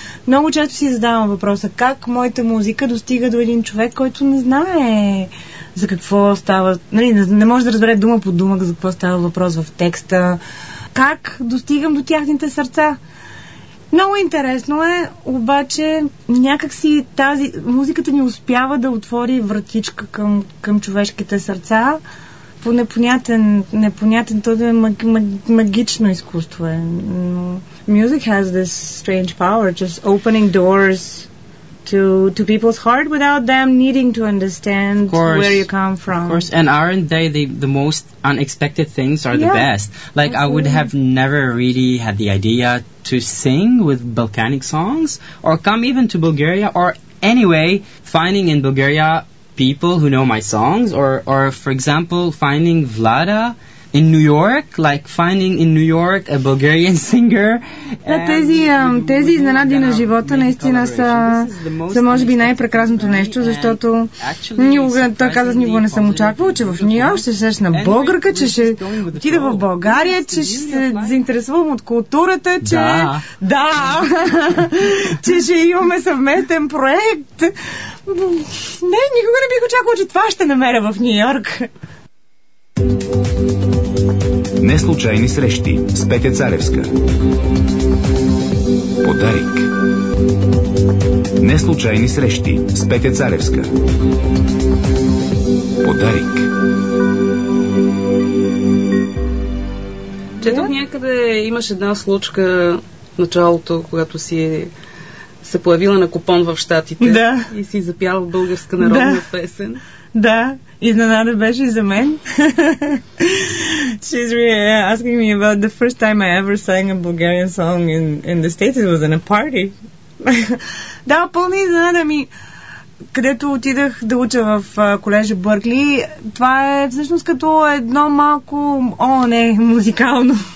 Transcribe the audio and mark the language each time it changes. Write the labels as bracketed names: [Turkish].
[Bulgarian] Много често си задавам въпроса как моята музика достига до един човек, който не знае за какво става, нали, не може да разбере дума по дума за какво става въпрос в текста, как достигам до тяхните сърца. Много интересно е, обаче някак си тази музиката ни успява да отвори вратичка към човешките сърца. По непонятен, то е магично изкуство. [English] Music has this strange power, just opening doors to people's heart without them needing to understand where you come from. Of course, and aren't they the most unexpected things are the best? Like, absolutely. I would have never really had the idea to sing with Balkanic songs or come even to Bulgaria or anyway, finding in Bulgaria people who know my songs or for example, finding Vlada in New York, like finding in New York a Bulgarian singer. [Bulgarian] Да, тези изненади на живота наистина са може би най-прекрасното нещо, защото никога не съм очаквал, че в Нью Йорк ще срещна българка, че ще отида в България, че ще се заинтересувам от културата, че да, че ще имаме съвместен проект. Не, никога не бих очаквал, че това ще намеря в Нью Йорк. Неслучайни срещи с Петя Царевска. Подарик. Неслучайни срещи с Петя Царевска. Подарик. Четох някъде, имаш една случка в началото, когато си се появила на купон в Щатите. Да. И си запяла българска народна песен. Да, изненада беше за мен. [English] She's really asking me about the first time I ever sang a Bulgarian song in the States. It was in a party. [Bulgarian] Да, пълна изненада ми. Където отидах да уча в колежа Бъркли, това е всъщност като едно малко, музикално